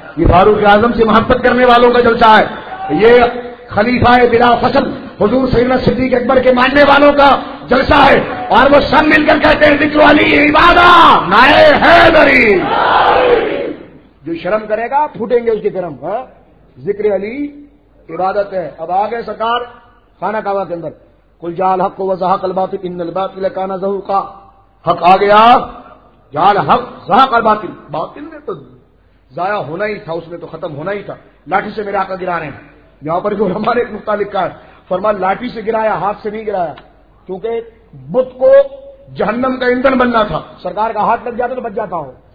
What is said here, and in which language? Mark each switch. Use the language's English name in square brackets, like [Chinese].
[Urdu] یہ فاروق اعظم سے محبت کرنے والوں کا جلسہ ہے. یہ خلیفہ بلا فصل حضور سیدنا صدیق اکبر کے ماننے والوں کا جلسہ ہے. اور وہ سب مل کر کہتے ہیں ذکر علی عبادہ نائے حیدری. جو شرم کرے گا پھوٹیں گے اس کے گرم. ذکر علی عبادت ہے. اب آ گئے سرکار خانہ کعبہ کے اندر. [Arabic] قل جاء الحق وزہق الباطل ان الباطل کان زہوقا. [Urdu] حق آ گیا, [Arabic] جال حق زہق الباطل، [Urdu] باطل میں تو ضائع ہونا ہی تھا، اس میں تو ختم ہونا ہی تھا، لاٹھی سے میرے آقا گرا رہے ہیں. یہاں پر جو ہمارے ایک نقطہ لکھا ہے، فرما لاٹھی سے گرایا، ہاتھ سے نہیں گرایا، کیونکہ بت کو جہنم کا ایندھن بننا تھا، سرکار کا ہاتھ لگ جاتا تو بچ جاتا ہو.